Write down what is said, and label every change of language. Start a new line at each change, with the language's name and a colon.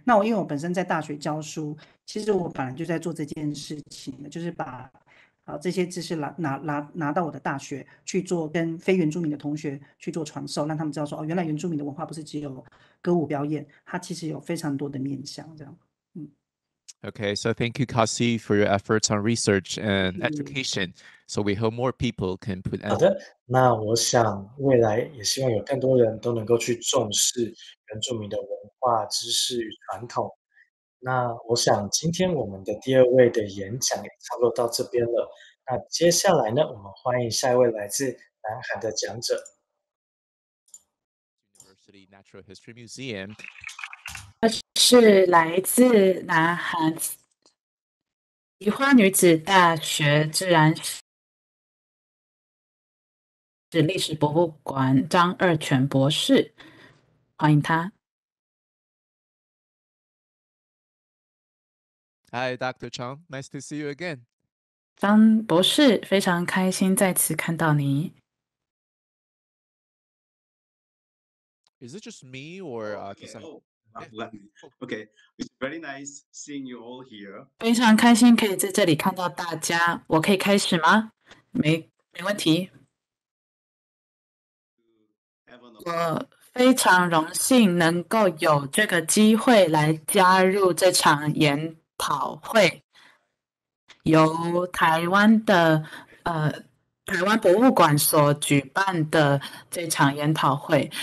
Chinese: 那我因为我本身在大学教书，其实我本来就在做这件事情，就是把这些知识 拿到我的大学去做，跟非原住民的同学去做传授，让他们知道说，原来原住民的文化不是只有歌舞表演，它其实有非常多的面向这样。
English: Okay, so thank you, Kasi, for your efforts on research and education. So we hope more people can put out.
Chinese: 好的，那我想未来也希望有更多人都能够去重视原住民的文化知识与传统。那我想今天我们的第二位的演讲也差不多到这边了。那接下来呢，我们欢迎下一位来自南韩的讲者。
English: University Natural History Museum.
Chinese: 是来自南韩梨花女子大学自然史历史博物馆张二全博士，欢迎他。
English: Hi, Dr. Chang, nice to see you again.
Chinese: 张博士，非常开心再次看到你。
English: Is it just me or Kisa? Okay, it's very nice seeing you all here.
Chinese: 非常开心可以在这里看到大家。我可以开始吗？没问题。我非常荣幸能够有这个机会来加入这场研讨会，由台湾博物馆所举办的这场研讨会。